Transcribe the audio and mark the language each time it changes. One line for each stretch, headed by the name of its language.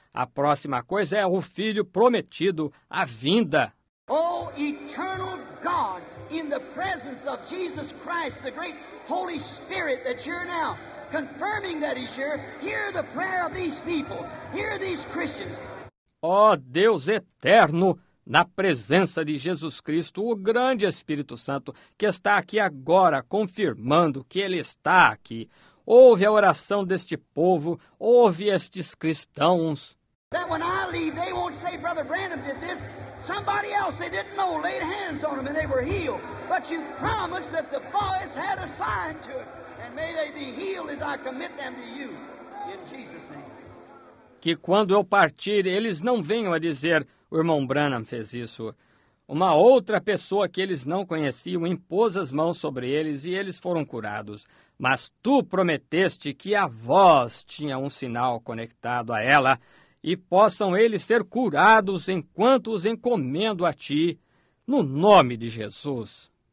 Portuguese: A próxima coisa é o Filho prometido, a vinda.
English: Oh, eternal God, in the presence of Jesus Christ, the great Holy Spirit that's here now, confirming that he's here, hear the prayer of these people, hear these Christians.
Portuguese: Oh, Deus eterno, na presença de Jesus Cristo, o grande Espírito Santo, que está aqui agora, confirmando que ele está aqui. Ouve a oração deste povo, ouve estes cristãos.
English: That when I leave, they won't say Brother Branham did this. Somebody else they didn't know laid hands on them and they were healed. But you promised that the boys had a sign to it. And may they be healed as I commit them to you. In Jesus' name.
Portuguese: Que quando eu partir, eles não venham a dizer, o irmão Branham fez isso. Uma outra pessoa que eles não conheciam impôs as mãos sobre eles e eles foram curados. Mas tu prometeste que a voz tinha um sinal conectado a ela e possam eles ser curados enquanto os encomendo a ti, no nome de Jesus.